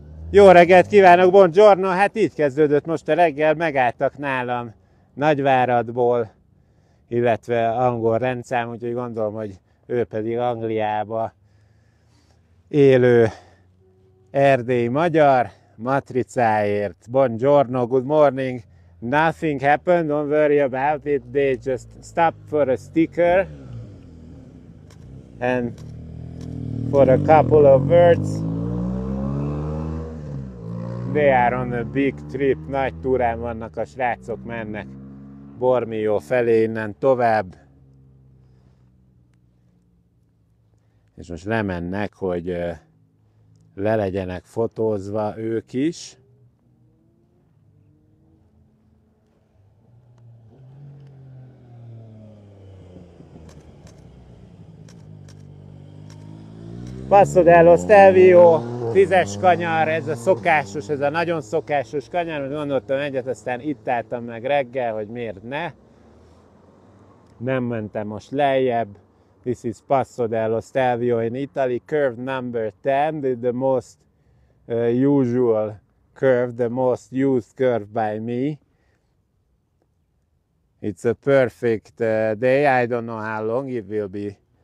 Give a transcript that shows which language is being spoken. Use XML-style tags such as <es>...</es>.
<hu>Jó reggelt kívánok, buongiorno! Hát így kezdődött most a reggel, megálltak nálam Nagyváradból, illetve angol rendszám, úgyhogy gondolom, hogy ő pedig Angliába élő erdélyi magyar matricáért.</hu> <en>Buongiorno, good morning! Nothing happened, don't worry about it. They just stopped for a sticker and for a couple of words. They are on a big trip,</en> <hu>nagy túrán vannak, a srácok mennek Bormio felé innen tovább. És most lemennek, hogy le legyenek fotózva ők is. Passo dello Stelvio, 10-es kanyar, ez a szokásos, ez a nagyon szokásos kanyar, mert gondoltam egyet, aztán itt álltam meg reggel, hogy miért ne. Nem mentem most lejjebb.</hu> <en>This is Passo dello Stelvio in Italy, curve number 10, the most usual curve, the most used curve by me. It's a perfect day, I don't know how long it will be.</en>